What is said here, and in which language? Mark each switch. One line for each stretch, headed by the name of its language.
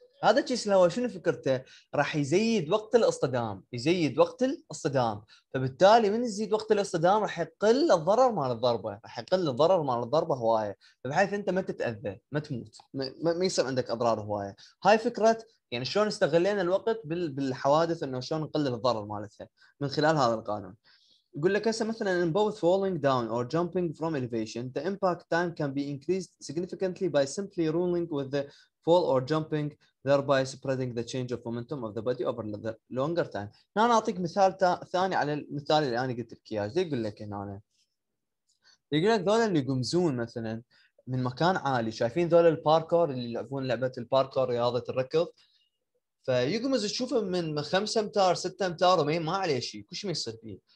Arabic: هذا الشيس الهواء شنو فكرته؟ راح يزيد وقت الاصطدام، يزيد وقت الاصطدام، فبالتالي من يزيد وقت الاصطدام راح يقل الضرر مال الضربة، راح يقل الضرر مال الضربة هواية، بحيث انت ما تتأذى، ما تموت، ما يصير عندك اضرار هواية. هاي فكرة يعني شلون استغلينا الوقت بالحوادث انه شلون نقلل الضرر مالتها من خلال هذا القانون. يقول لك هسه مثلا
English: in both falling down or jumping from elevation the impact time can be increased significantly by simply ruling with the fall or jumping, thereby spreading the change of momentum of the body over the longer time.
Arabic: هنا اعطيك مثال ثاني على المثال اللي انا قلت لك اياه. زي يقول لك هنا، يقول لك ذول اللي يقمزون مثلا من مكان عالي، شايفين ذول الباركور اللي يلعبون لعبه الباركور، رياضه الركض، فيقمز تشوفه من 5 امتار 6 امتار وما عليه شيء، كل شيء ما يصير فيه.